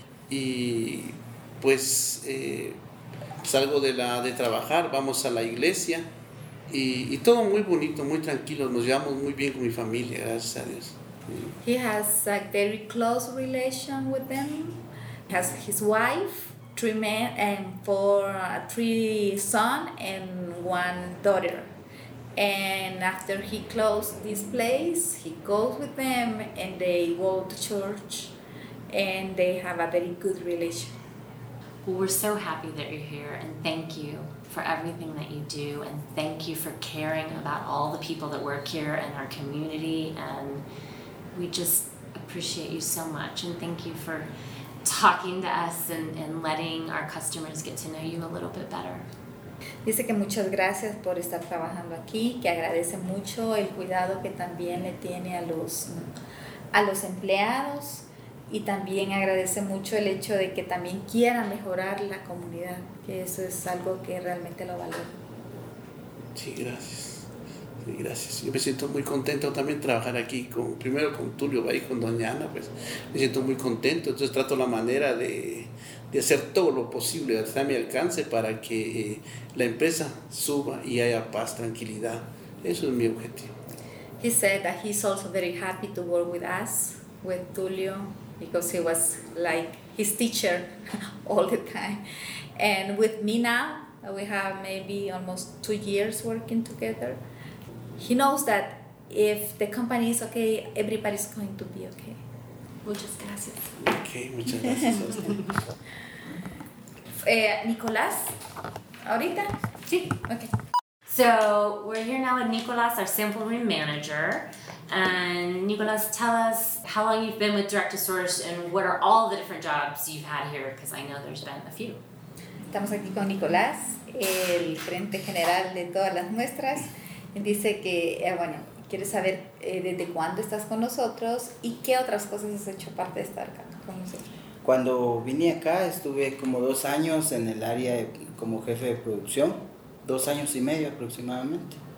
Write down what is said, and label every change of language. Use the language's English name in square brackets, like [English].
[Spanish] Y pues salgo de trabajar, vamos a la iglesia. Y todo muy bonito, muy tranquilo. Nos llevamos muy bien con mi familia, gracias a Dios. [English] He has a very close relation with them. He has his wife. 3 men and 3 son and 1 daughter. And after he closed this place, he goes with them and they go to church and they have a very good relation. Well, we're so happy that you're here and thank you for everything that you do and thank you for caring about all the people that work here and our community, and we just appreciate you so much and thank you for talking to us and letting our customers get to know you a little bit better. [Spanish] Dice que muchas gracias por estar trabajando aquí, que agradece mucho el cuidado que también le tiene a los empleados y también agradece mucho el hecho de que también quiera mejorar la comunidad, que eso es algo que realmente lo valoro. Sí, gracias. Sí, gracias. Yo me siento muy contento también trabajar aquí primero con Tulio y con Doña Ana, pues me siento muy contento. Entonces trato la manera de hacer todo lo posible, hasta a mi alcance, para que la empresa suba y haya paz, tranquilidad. Eso es mi objetivo. [English] He said that he's also very happy to work with us, with Tulio, because he was like his teacher all the time. And with me now, we have maybe almost 2 years working together. He knows that if the company is okay, everybody's going to be okay. [Spanish] Muchas gracias. Okay, muchas gracias. Nicolás, ahorita? Sí, okay. [English] So we're here now with Nicolás, our sample room manager. And Nicolás, tell us how long you've been with Direct to Source and what are all the different jobs you've had here, because I know there's been a few. [Spanish] Estamos aquí con Nicolás, el gerente general de todas las muestras. Dice que, bueno, quiere saber desde cuándo estás con nosotros y qué otras cosas has hecho aparte de estar acá con nosotros. Cuando vine acá estuve como 2 años en el área como jefe de producción, 2 años y medio aproximadamente.